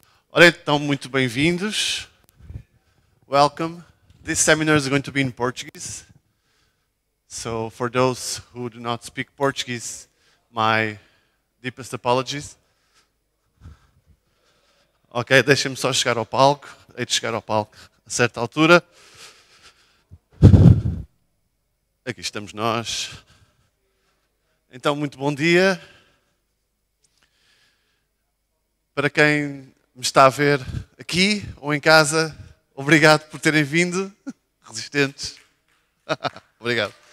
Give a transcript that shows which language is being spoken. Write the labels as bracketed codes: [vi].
[pt] Olhem, estão muito bem-vindos. [en] Welcome. This seminar is going to be in Portuguese. So, for those who do not speak Portuguese, my deepest apologies. [pt] Ok, deixem-me só chegar ao palco. Hei de chegar ao palco a certa altura. Aqui estamos nós. Então, muito bom dia. Para quem me está a ver aqui ou em casa, obrigado por terem vindo. Resistentes. Obrigado.